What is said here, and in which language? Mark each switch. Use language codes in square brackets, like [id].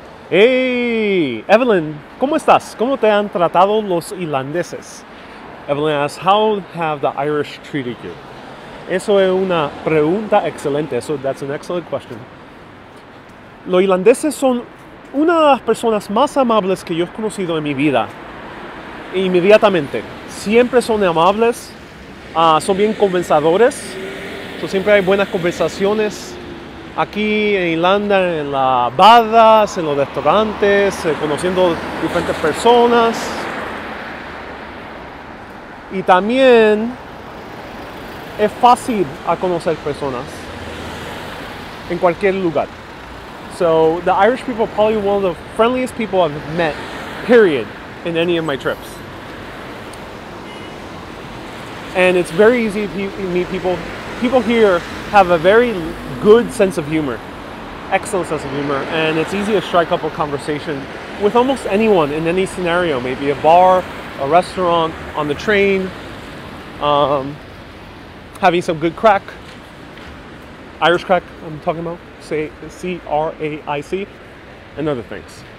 [es] Hey, Evelyn, ¿cómo estás? ¿Cómo te han tratado los irlandeses? [en] Evelyn asks, how have the Irish treated you? [es] Eso es una pregunta excelente. [en] So that's an excellent question. [es] Los irlandeses son una de las personas más amables que yo he conocido en mi vida. Inmediatamente. Siempre son amables. Son bien conversadores. So siempre hay buenas conversaciones. Aquí en Irlanda, en las badas, en los restaurantes, conociendo diferentes personas. Y también es fácil a conocer personas en cualquier lugar. [en] So the Irish people are probably one of the friendliest people I've met, period, in any of my trips. And it's very easy to meet people. People here have a very good sense of humor, excellent sense of humor, and it's easy to strike up a conversation with almost anyone in any scenario, maybe a bar, a restaurant, on the train, having some good crack, Irish crack I'm talking about, say C-R-A-I-C, and other things.